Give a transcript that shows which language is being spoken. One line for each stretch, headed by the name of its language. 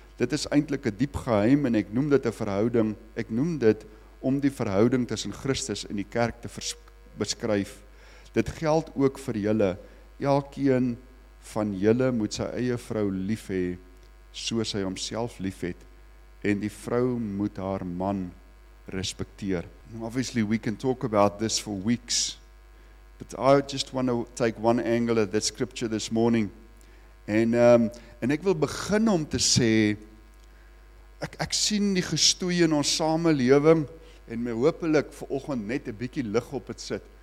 Afrikaans: Dit is eintlik 'n diep geheim en ek noem dit 'n verhouding. Ek noem dit om die verhouding tussen Christus en die kerk te beskryf. Dit geld ook vir julle. Elkeen van julle moet sy eie vrou lief hê soos hy homself lief het, en die vrou moet haar man respekteer.
English: Now obviously we can talk about this for weeks, but I just want to take one angle at that scripture this morning.
Afrikaans: En ek wil begin om te sê, ek sien die gestoei in ons samelewing, en my hoopelik vanoggend net 'n bietjie lig op het sit.